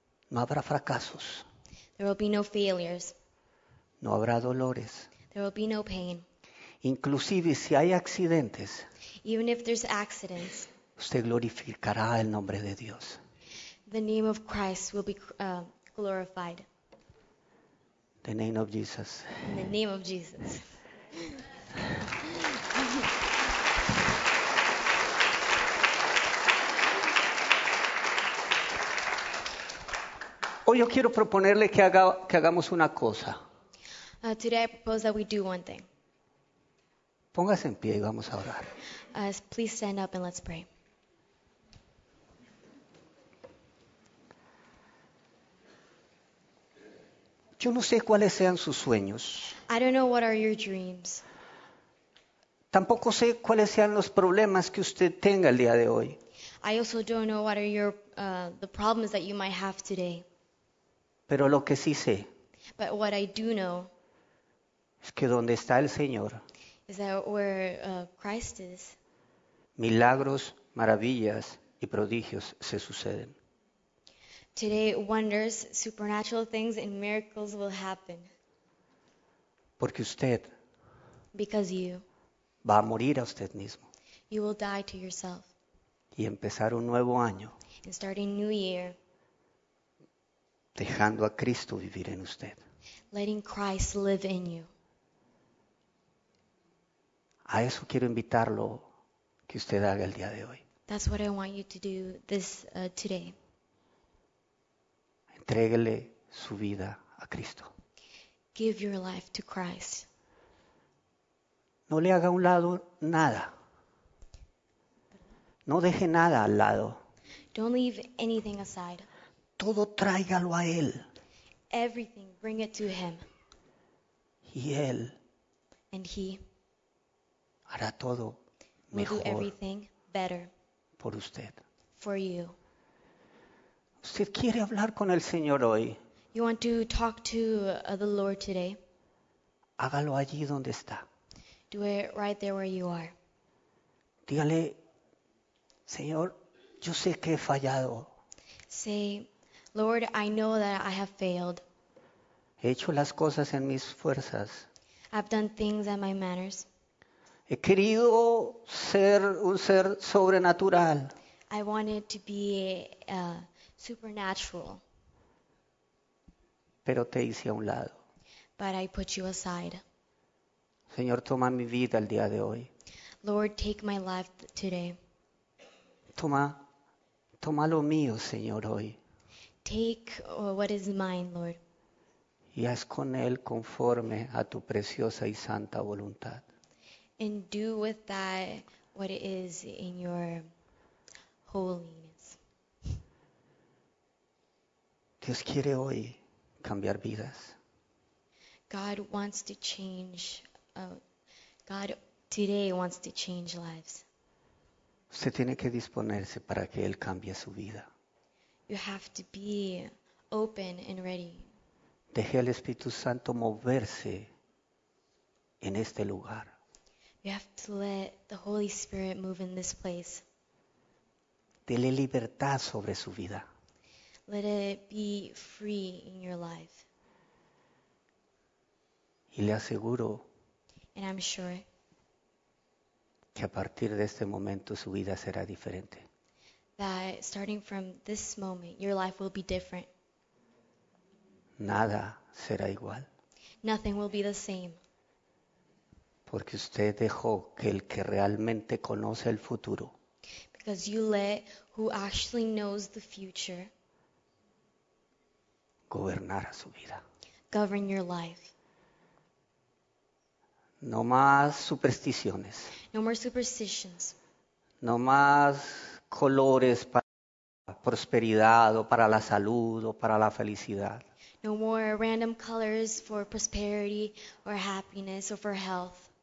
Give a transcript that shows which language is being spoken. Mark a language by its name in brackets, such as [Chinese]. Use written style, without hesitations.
[Spanish] No habrá fracasos. [English] There will be no failures. [Spanish] No habrá dolores. [English] There will be no pain. [Spanish] Inclusive si hay accidentes. [English] Even if there's accidents. [Spanish] Usted glorificará el nombre de Dios. [English] The name of Christ will be glorified. The name of Jesus. In the name of Jesus. [Spanish] Hoy yo quiero proponerle que hagamos una cosa. [English] Today I propose that we do one thing. [Spanish] Póngase en pie y vamos a orar. [English] Please stand up and let's pray. [Spanish] Yo no sé cuáles sean sus sueños. [English] I don't know what are your dreams. [Spanish] Tampoco sé cuáles sean los problemas que usted tenga el día de hoy. [English] I also don't know what are the problems that you might have today. [Spanish] Pero lo que sí sé, [English] but what I do know, [Spanish] es que donde está el Señor, [English] is that where Christ is, [Spanish] milagros, maravillas y prodigios se suceden. [English] Today, wonders, supernatural things and miracles will happen. [Spanish] Porque usted, [English] because you, [Spanish] va a morir a usted mismo. [English] You will die to yourself. [Spanish] Y empezar un nuevo año. [English] And start a new year. [Spanish] Dejando a Cristo vivir en usted. [English] Letting Christ live in you. [Spanish] A eso quiero invitarlo que usted haga el día de hoy. [English] That's what I want you to do this today. [Spanish] Entréguele su vida a Cristo. [English] Give your life to Christ. [Spanish] No le haga a un lado nada. No deje nada al lado. [English] Don't leave anything aside. [Spanish] Todo tráigalo a Él. [English] Everything, bring it to Him. [Spanish] Y Él. [English] And He. [Spanish] Hará todo mejor. [English] Will do everything better. [Spanish] Por usted. [English] For you. [Spanish] ¿Usted quiere hablar con el Señor hoy? [English] You want to talk to the Lord today? [Spanish] Hágalo allí donde está. [English] Do it right there where you are. [Spanish] Dígale, Señor, yo sé que he fallado. [English] Say, Lord, I know that I have failed. [Spanish] He hecho las cosas en mis fuerzas. [English] I've done things in my manners. [Spanish] He querido ser un ser sobrenatural. [English] I wanted to be supernatural. [Spanish] Pero te hice a un lado. [English] But I put you aside. [Spanish] Señor, toma mi vida el día de hoy. [English] Lord, take my life today. [Spanish] Toma lo mío, Señor, hoy. [English] Take what is mine, Lord. [Spanish] Y haz con él conforme a tu preciosa y santa voluntad. [English] And do with that what it is in your holiness. [Spanish] Dios quiere hoy cambiar vidas. [English] God wants to change. God today wants to change lives. [Spanish] Usted tiene que disponerse para que Él cambie su vida. [English] You have to be open and ready. [Spanish] Deje al Espíritu Santo moverse en este lugar. [English] You have to let the Holy Spirit move in this place. [Spanish] Dele libertad sobre su vida. [English] Let it be free in your life. [Spanish] Y le aseguro, [English] and I'm sure, [Spanish] que a partir de este momento su vida será diferente. [English] That starting from this moment, your life will be different. [Spanish] Nada será igual. [English] Nothing will be the same. [Spanish] Porque usted dejó que el que realmente conoce el futuro, [English] because you let who actually knows the future, [Spanish] gobernar a su vida. [English] Govern your life. [Spanish] No más supersticiones. [English] No more superstitions. [Spanish] No más colores para la prosperidad o para la salud o para la felicidad. [English] No more random colors for prosperity or happiness or for health.